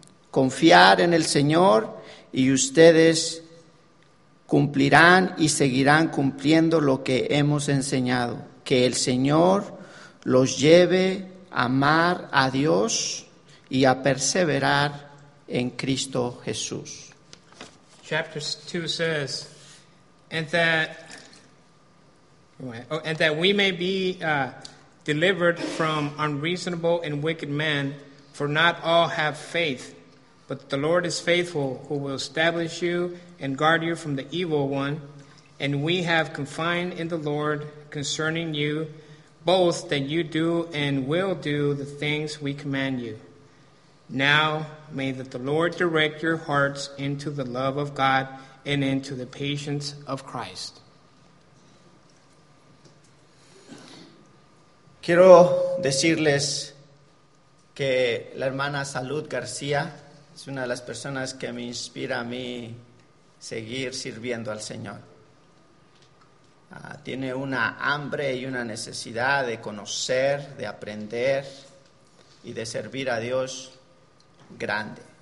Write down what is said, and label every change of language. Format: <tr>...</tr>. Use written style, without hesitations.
<es>Confiar en el Señor y ustedes cumplirán y seguirán cumpliendo lo que hemos enseñado. Que el Señor los lleve a amar a Dios y a perseverar en Cristo Jesús.</es> <en>Chapter 2 says, and that we may be delivered from unreasonable and wicked men, for not all have faith, but the Lord is faithful, who will establish you and guard you from the evil one. And we have confided in the Lord concerning you, both that you do and will do the things we command you. Now may the Lord direct your hearts into the love of God and into the patience of Christ.</en> <es>Quiero decirles que la hermana Salud García es una de las personas que me inspira a mí seguir sirviendo al Señor. Tiene una hambre y una necesidad de conocer, de aprender y de servir a Dios grande.</es>